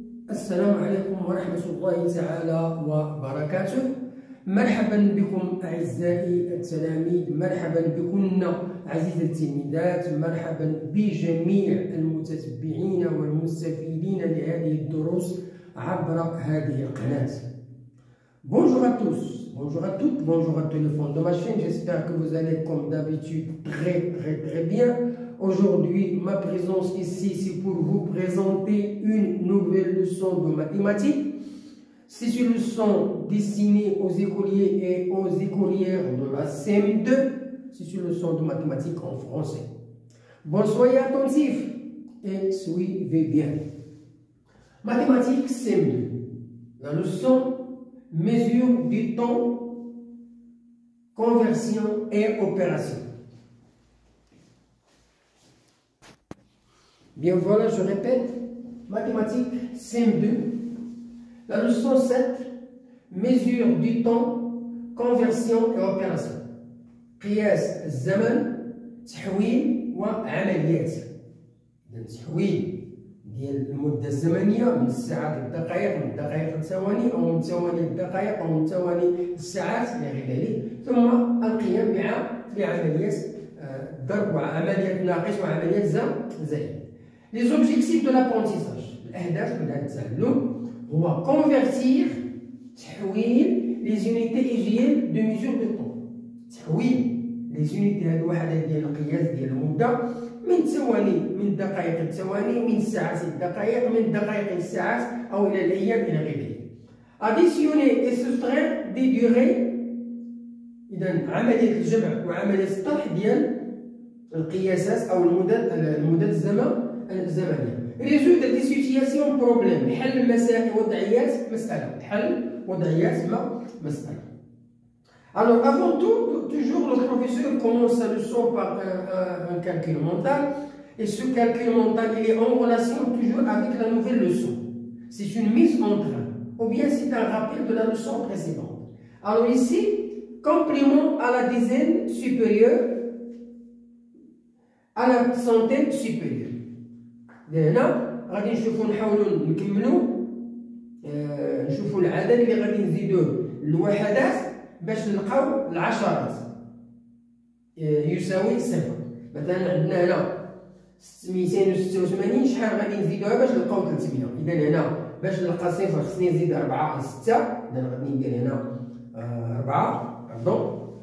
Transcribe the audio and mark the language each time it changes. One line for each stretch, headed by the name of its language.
Arabic: السلام عليكم ورحمة الله تعالى وبركاته. مرحبا بكم أعزائي التلاميذ، مرحبا بكم عزيزي التلميذات، مرحبا بجميع المتتبعين والمستفيدين لهذه الدروس عبر هذه القناة.
French: Bonjour à tous, bonjour à toutes, bonjour à tous les fans de ma chaîne. J'espère que vous allez comme d'habitude très très très bien. Aujourd'hui, ma présence ici, c'est pour vous présenter une nouvelle leçon de mathématiques. C'est une leçon destinée aux écoliers et aux écolières de la CM2. C'est une leçon de mathématiques en français. Bon, soyez attentifs et suivez bien. Mathématiques CM2. La leçon, mesure du temps, conversion et opération. Bien voilà, je répète, mathématiques CM2, la leçon 7, mesure du temps, conversion et opération.
Arabic: Qiyas zaman, tahwil wa amaliyat. Tahwil ديال المدة الزمنية من الساعات للدقائق، من الدقائق للثواني أو من الثواني للدقائق أو من الثواني للساعات إلى غير ذلك، ثم القيام بعمليات ضرب وعمليات ناقص وعمليات زائد.
French: Les objectifs de l'apprentissage. L'ahdaf de l'atalum est convertir, tahwil, les unités égales de mesure de temps.
Arabic: Tahwil,
French: les unités
Arabic: de l'ouahada de l'qiyas de l'mouda, من ثواني، من دقائق الثواني، من ساعات الدقائق، من دقائق الساعات أو إلى الأيام إلى غير ذلك.
French: Additionner et soustraire des durées.
Arabic: إذا عملية الجمع وعملية الطرح ديال القياسات أو المدد الزمن الزمنية.
French: Résoudre des situations problèmes.
Arabic: حل مسائل وضعيات مسألة. حل وضعيات مسألة.
French: Alors, avant tout, toujours le professeur commence sa leçon par un calcul mental. Et ce calcul mental, il est en relation toujours avec la nouvelle leçon. C'est une mise en train. Ou bien c'est un rappel de la leçon précédente. Alors ici, complément à la dizaine supérieure, à la centaine supérieure.
Arabic: D'ailleurs, غادي نشوفو نحاولو نكملو. نشوفو العدد اللي غادي نزيدو الوحدات. باش نلقاو العشرات يساوي صفر. مثلا عندنا هنا 286، شحال غادي نزيدوها باش نلقاو 300؟ اذا هنا باش نلقى صفر خصني نزيد 4 على 6، اذا غادي ندير هنا 4 دونك.